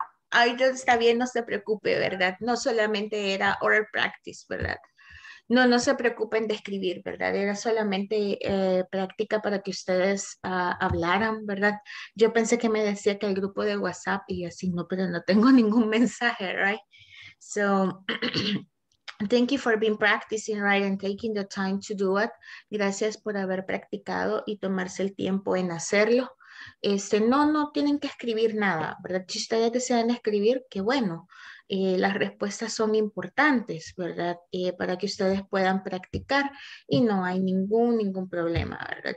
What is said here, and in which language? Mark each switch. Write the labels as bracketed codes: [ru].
[es] Ay, está bien, no se preocupe, ¿verdad? No solamente era [en] oral practice, [es] ¿verdad? No se preocupen de escribir, ¿verdad? Era solamente práctica para que ustedes hablaran, ¿verdad? Yo pensé que me decía que el grupo de WhatsApp y así, no, pero no tengo ningún mensaje, ¿right? [en] So, thank you for being practicing, right, and taking the time to do it. [es] Gracias por haber practicado y tomarse el tiempo en hacerlo. No tienen que escribir nada, ¿verdad? Si ustedes desean escribir, qué bueno. Las respuestas son importantes, ¿verdad? Para que ustedes puedan practicar y no hay ningún problema, ¿verdad?